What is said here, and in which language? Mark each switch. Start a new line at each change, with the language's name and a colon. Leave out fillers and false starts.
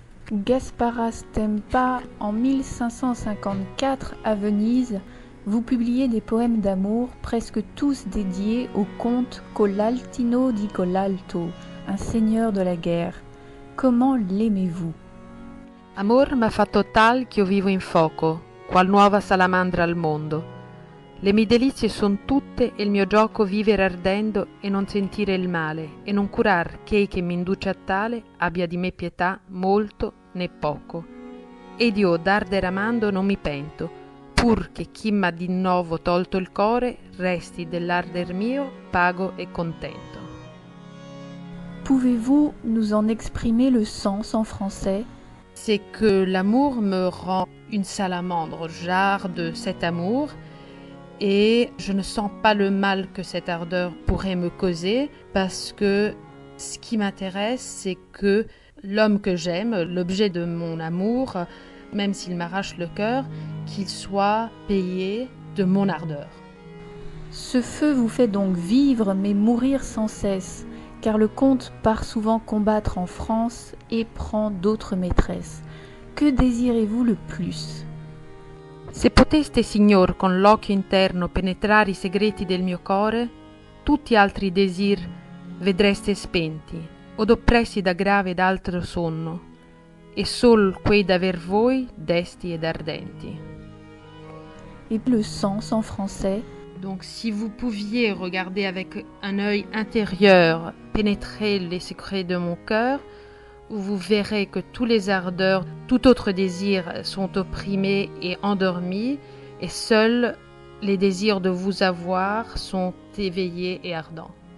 French: Gasparas Stempa, en 1554 à Venise, vous publiez des poèmes d'amour presque tous dédiés au comte Colaltino di Colalto, un seigneur de la guerre. Comment l'aimez-vous?
Italian: Amor m'ha fatto tal ch'io vivo in fuoco, qual nuova salamandra al mondo. Le mie delizie son tutte e il mio gioco vivere ardendo e non sentire il male e non curar chei che mi induce a tale abbia di me pietà molto né poco. Ed io d'arder amando non mi pento, pur che chi m'ha di nuovo tolto il core resti dell'arder mio pago e contento.
French: Pouvez-vous nous en exprimer le sens en français? C'est que l'amour me rend une salamandre, j'arde de cet amour. Et je ne sens pas le mal que cette ardeur pourrait me causer parce que ce qui m'intéresse, c'est que l'homme que j'aime, l'objet de mon amour, même s'il m'arrache le cœur, qu'il soit payé de mon ardeur. Ce feu vous fait donc vivre mais mourir sans cesse, car le comte part souvent combattre en France et prend d'autres maîtresses. Que désirez-vous le plus ?
Italian: Se poteste, Signor, con l'occhio interno penetrare i segreti del mio cuore, tutti altri desir vedreste spenti, od oppressi da grave ed altro sonno, e sol quei d'aver voi desti ed ardenti.
French: Et le sens en français? Donc, si vous pouviez regarder avec un œil intérieur, pénétrer les secrets de mon cœur, vous verrez que tous les ardeurs, tout autre désir sont opprimés et endormis, et seuls les désirs de vous avoir sont éveillés et ardents.